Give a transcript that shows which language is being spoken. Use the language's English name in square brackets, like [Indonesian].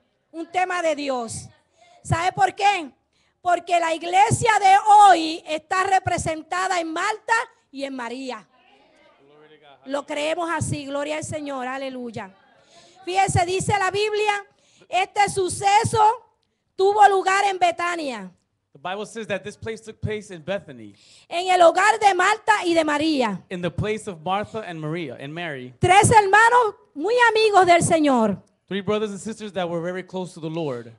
[Spanish] Un tema de Dios. ¿Sabe por qué? Porque la iglesia de hoy está representada en Marta y en María. Lo creemos así, gloria al Señor, aleluya. Fíjense, dice la Biblia, este suceso tuvo lugar en Betania. [English] The Bible says that this place took place in Bethany. [Spanish] En el hogar de Marta y de María. [English] In the place of Martha and Maria, and Mary. [Spanish] Tres hermanos muy amigos del Señor. [English] Three brothers and sisters that were very close to the Lord.